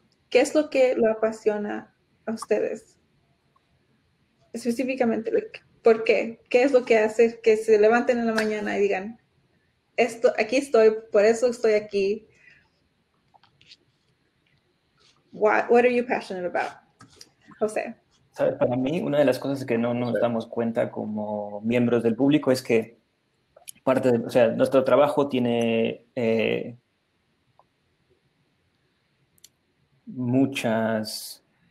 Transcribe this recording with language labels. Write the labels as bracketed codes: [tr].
[es] ¿Qué es lo que lo apasiona a ustedes? Específicamente, ¿por qué? ¿Qué es lo que hace que se levanten en la mañana y digan, esto, aquí estoy, por eso estoy aquí? [en] What are you passionate about? [es] José. ¿Sabes? Para mí, una de las cosas que no nos damos cuenta como miembros del público es que parte de, o sea, nuestro trabajo tiene muchas...